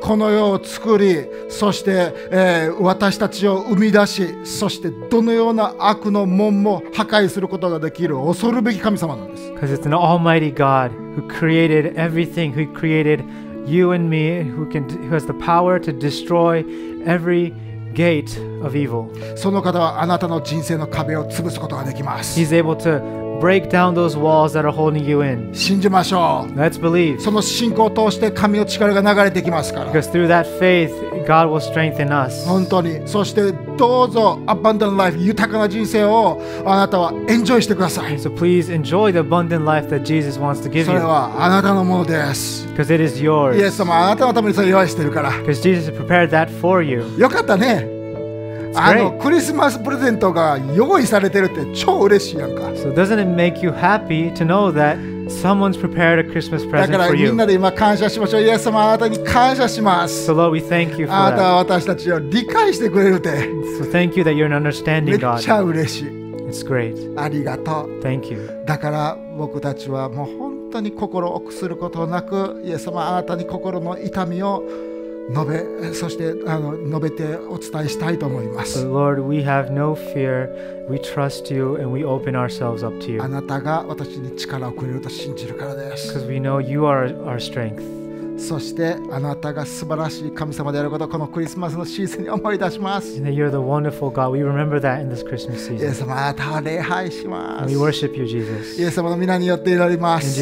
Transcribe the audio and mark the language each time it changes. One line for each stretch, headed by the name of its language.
Japanese: この世を作り、そして、私たちを生み出し、そしてどのような悪の門も破壊することができる恐るべき神様なんです。
English: Because it's an almighty God who created everything, who created you and me, who has the power to destroy every gate of evil.
Japanese: その方はあなたの人生の壁を潰すことができます。
English: He's able to break down those walls that are holding you in.
Japanese: 信じましょう。
English: Let's believe.
Japanese: その信仰を通して神の力が流れてきますから。
English: Because through that faith, God will strengthen us.
Japanese: 本当に。そしてどうぞ
English: abundant life,
Japanese: 豊かな人生をあなたはエンジョイしてください。
English: So please enjoy the abundant life that Jesus wants to give you.
Japanese: それはあなたのものです。
English: Because it is yours.
Japanese: イエス様あなたのためにそれを用意してるから。
English: Because Jesus prepared that for you.
Japanese: よかったね。あのクリスマスプレゼントが用意されてるって超嬉しいやんか。
English: So doesn't it make you happy to know that someone's prepared a Christmas present for you?
Japanese: だからみんなで今感謝しましょう。イエス様あなたに感謝します。
English: So Lord, we thank you for that.
Japanese: あなたは私たちを理解してくれるって。
English: So thank you that you're an understanding God.
Japanese: めっちゃ嬉しい。
English: It's great.
Japanese: ありがとう。
English: Thank you.
Japanese: だから僕たちはもう本当に心を臆することなく、イエス様あなたに心の痛みを述べ、そして述べてお伝えしたいと思います。
English: But Lord, we have no fear. We trust you and we open ourselves up to you.
Japanese: あなたが私に力をくれると信じるからです。
English: Because we know you are our strength.
Japanese: そしてあなたが素晴らしい神様であることをこのクリスマスのシーズンに思い出します。
English: And you're the wonderful God. We remember that in this Christmas season.
Japanese: イエス様、あなたを礼拝します。
English: We worship you, Jesus.
Japanese: イエス様の皆によって祈ります。